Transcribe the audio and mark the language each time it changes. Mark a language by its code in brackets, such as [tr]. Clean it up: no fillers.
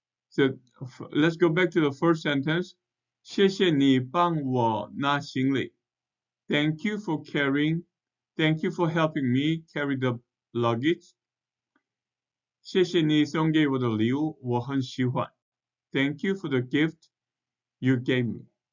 [en] So let's go back to the first sentence. [zh] 谢谢你帮我拿行李. [en] Thank you for carrying. Thank you for helping me carry the luggage. [zh] 谢谢你送给我的礼物,我很喜欢. [en] Thank you for the gift you gave me.